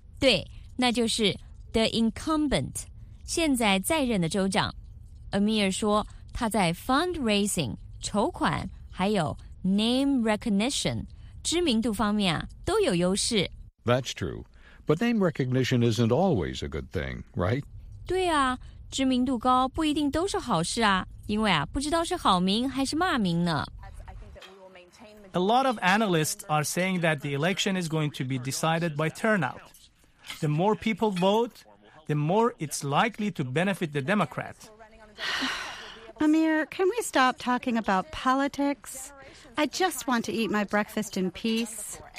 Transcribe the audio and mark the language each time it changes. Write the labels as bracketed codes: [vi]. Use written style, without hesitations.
[zh] 对，那就是 [en] the incumbent， [zh] 现在在任的州长。 Amir 说他在 fundraising 筹款还有 name recognition知名度方面啊，都有优势。 [en] That's true. But name recognition isn't always a good thing, right? [zh] 对啊，知名度高不一定都是好事啊，因为啊，不知道是好名还是骂名呢。 [en] A lot of analysts are saying that the election is going to be decided by turnout. The more people vote, the more it's likely to benefit the Democrats. Amir, can we stop talking about politics? I just want to eat my breakfast in peace.